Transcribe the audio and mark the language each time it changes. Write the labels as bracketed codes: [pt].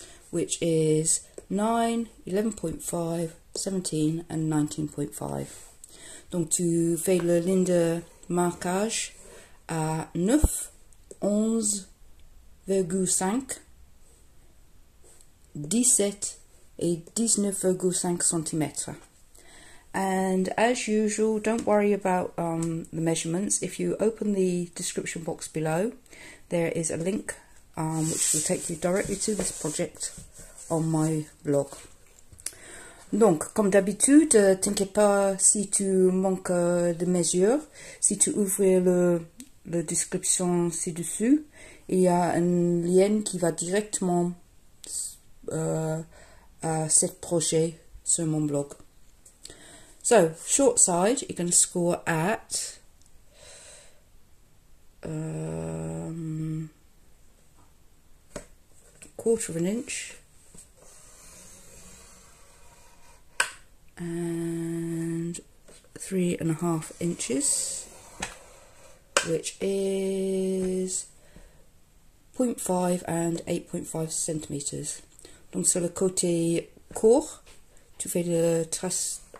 [en] which is 9, 11.5, 17, and 19.5. [fr] Donc, tu fais le ligne de marquage à 9, 11.5, 17, [en] and 19.5 centimeters. And as usual, don't worry about the measurements. If you open the description box below, there is a link which will take you directly to this project on my blog. [fr] Donc, comme d'habitude, t'inquiète pas si tu manques de mesures. Si tu ouvres le description ci-dessus, il y a un lien qui va directement à ce projet sur mon blog. [en] So, short side, you're going to score at 1/4 inch and 3.5 inches, which is 0.5 and 8.5 centimeters. [fr] Donc, sur le côté court, tu fais le trace.